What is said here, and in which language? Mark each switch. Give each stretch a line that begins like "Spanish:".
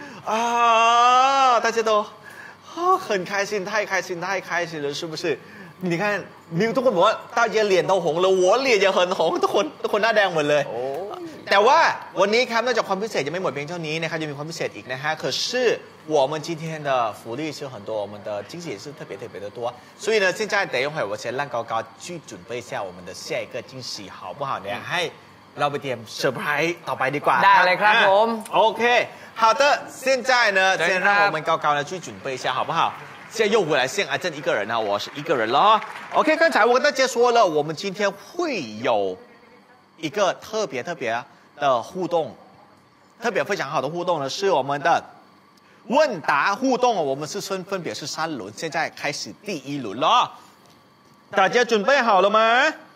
Chinese: 啊，大家都，很开心，太开心，太开心了，是不是？你看，没有都跟我，大家脸都红了，我脸也很红，都
Thai: คน หน้าแดงหมดเลย。 แต่ว่าวันนี้ครับนอกจากความพิเศษยังไม่หมดเพียงเท่านี้นะครับยังมีความพิเศษอีกนะฮะคือชื่อ
Chinese: 我们今天的福利是很多我们的惊喜是特别特别的多所以呢现在等一会儿我先让高高去准备一下我们的下一个惊喜好不好呢
Thai: ให้เราไปเตรียมเซอร์ไพรส์ต่อไปดีกว่า ได้เลยครับผม
Chinese: โอเค好的现在呢先让我们高高呢去准备一下好不好现在又回来剩阿珍一个人呢我是一个人了 OK 刚才我跟大家说了我们今天会有一个特别特别的互动特别非常好的互动呢是我们的问答互动我们是分别是三轮现在开始第一轮了大家准备好了吗